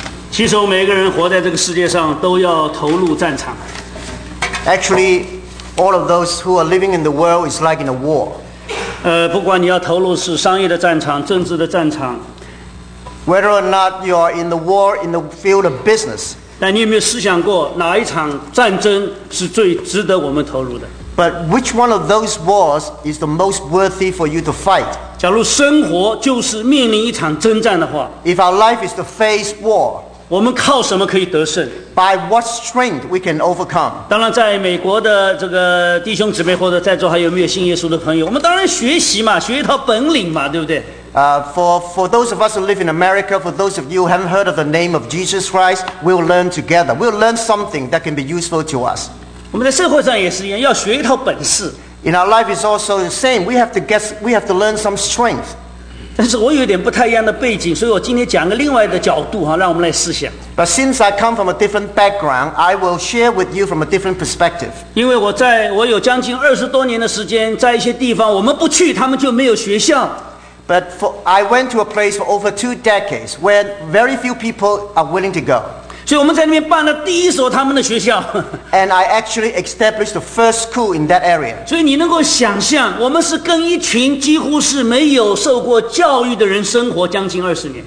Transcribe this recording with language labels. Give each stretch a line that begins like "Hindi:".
Chinese: 其实我们每个人活在这个世界上都要投入战场。
English: Actually, all of those who are living in the world is like in a war.
Chinese: 不管你要投入是商业的战场、政治的战场。
English: Whether or not you are in the war in the field of business.
Chinese: 但你有没有思想过哪一场战争是最值得我们投入的？
English: But which one of those wars is the most worthy for you to fight?
Chinese: 假如生活就是面临一场征战的话。
English: If our life is to face war.
Chinese: 我们靠什么可以得胜？
English: By what strength we can overcome?
Chinese: 当然，在美国的这个弟兄姊妹或者在座还有没有信耶稣的朋友，我们当然学习嘛，学一套本领嘛，对不对？
English: For those of us who live in America, for those of you who haven't heard of the name of Jesus Christ, we'll learn together. We'll learn something that can be useful to us.
Chinese: 我们在社会上也是一样，要学一套本事。
English: In our life is also the same. We have to learn some strength.
Chinese: 但是我有点不太一样的背景，所以我今天讲个另外的角度哈，让我们来思想。
English: But since I come from a different background, I will share with you from a different perspective.
Chinese: 因为我有将近二十多年的时间，在一些地方我们不去，他们就没有学校。
English: But for, I went to a place for over 2 decades where very few people are willing to go.
Chinese: 所以我们在那边办了第一所他们的学校。
English: And I actually established the first school in that area.
Chinese: 所以你能够想象，我们是跟一群几乎是没有受过教育的人生活将近二十年。